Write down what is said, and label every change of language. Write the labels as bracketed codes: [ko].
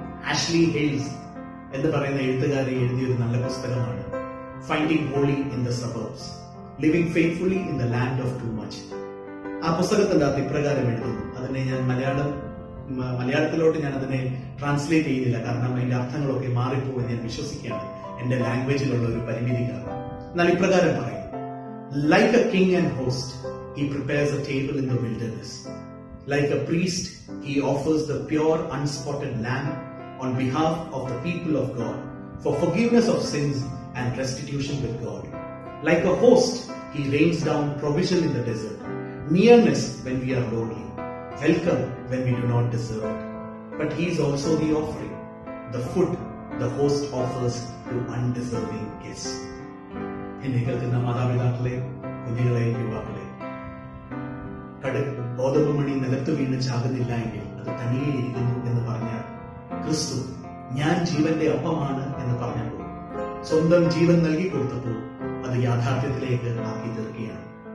[ml] Ashley Hales എന്ന് പറയുന്ന എഴുത്തുകാരെ എഴുതിയ ഒരു നല്ല പുസ്തകമാണ് finding holy in the suburbs, living faithfully in the land of too much. ആ പുസ്തകത്തിന്റെ അത് ഇപ്രകാരം എഴുതുന്നു. അതിനെ ഞാൻ മലയാളത്തിലോട്ട് ഞാൻ അതിനെ ട്രാൻസ്ലേറ്റ് ചെയ്യുന്നില്ല, കാരണം അതിന്റെ അർത്ഥങ്ങളൊക്കെ മാറിപ്പോകുമെന്ന് ഞാൻ വിശ്വസിക്കുകയാണ്. എന്റെ ലാംഗ്വേജിലുള്ള ഒരു പരിമിതി കാരണം. എന്നാൽ ഇപ്രകാരം പറയും, [en] Like a king and host, he prepares a table in the wilderness. Like a priest, he offers the pure, unspotted lamb on behalf of the people of God for forgiveness of sins and restitution with God. Like a host, he rains down provision in the desert, nearness when we are lonely, welcome when we do not deserve it. But he is also the offering, the food the host offers to undeserving guests. [ml] എന്നെ കേൾക്കുന്ന മാതാപിതാക്കളെ, കുഞ്ഞുങ്ങളെ, യുവാക്കളെ, ഗോതമ്പുമണി നിലത്ത് വീണ് ചാകുന്നില്ല എങ്കിൽ അത് തനിയെ ഇരിക്കുന്നു എന്ന് പറഞ്ഞ ക്രിസ്തു ഞാൻ ജീവന്റെ അപ്പമാണ് എന്ന് പറഞ്ഞപ്പോൾ, സ്വന്തം ജീവൻ നൽകി കൊടുത്തപ്പോൾ അത് യാഥാർത്ഥ്യത്തിലേക്ക് ആക്കി തീർക്കുകയാണ്.